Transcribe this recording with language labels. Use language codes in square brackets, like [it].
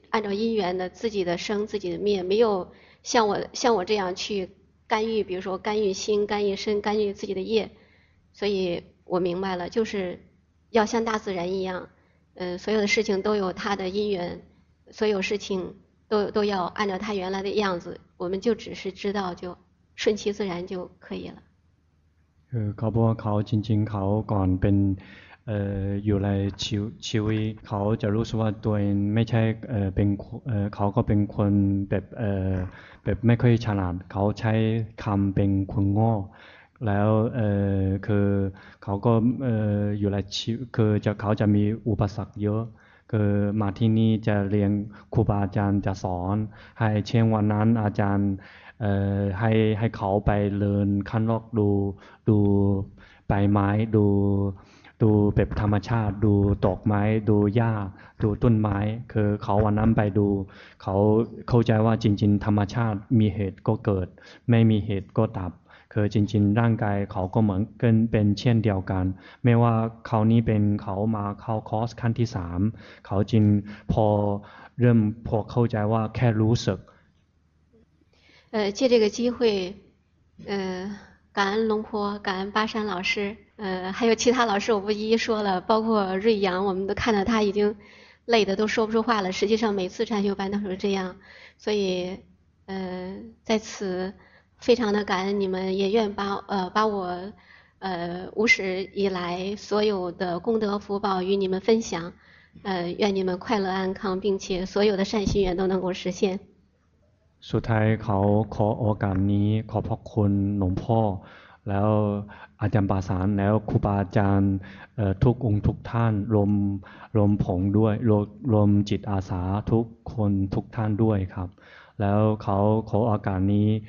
[zh] 按照因缘的自己的生自己的灭，没有像我像我这样去干预，比如说干预心、干预身、干预自己的业，所以我明白了，就是要像大自然一样，所有的事情都有它的因缘，所有事情都要按照它原来的样子，我们就只是知道就顺其自然就可以了。 [th] เขาบอกว่าเขาจริงๆเขาก่อนเป็นอยู่ในชีวิตเขาจะรู้สึกว่าตัวเองไม่ใช่เป็นเขาก็เป็นคนแบบไม่ค่อยฉลาดเขาใช้คำเป็นคนโง่แล้วคือเขาก็อยู่ในชีวิตคือจะเขาจะมีอุปสรรคเยอะคือมาที่นี่จะเรียนครูบาอาจารย์จะสอนให้เช่นวันนั้นอาจารย์ ให้เขาไปเรียนข้างนอกดูใบไม้ดูแบบธรรมชาติดูดอกไม้ดูหญ้าดูต้นไม้คือเขาวันนั้นไปดูเขาเข้าใจว่าจริงๆธรรมชาติมีเหตุก็เกิดไม่มีเหตุก็ดับคือจริงๆร่างกายเขาก็เหมือนกันเป็นเช่นเดียวกันไม่ว่าเขานี้เป็นเขามาเข้าคอร์สขั้นที่3เขาจริงพอเริ่มพอเข้าใจว่าแค่รู้สึก [zh] 借这个机会，感恩龙婆，感恩巴山老师，还有其他老师我不一一说了，包括瑞阳，我们都看到他已经累得都说不出话了。实际上每次禅修班都是这样，所以在此非常的感恩你们，也愿把我无始以来所有的功德福报与你们分享，愿你们快乐安康，并且所有的善心愿都能够实现。 [th] สุดท้ายเขาขอโอกาสนี้ขอพระคุณหลวงพ่อแล้วอาจารย์ปาสานแล้วครูบาอาจารย์ทุกองค์ทุกท่านรวมผมด้วยรวมจิตอาสาทุกคนทุกท่านด้วยครับแล้วเขาขอโอกาสนี้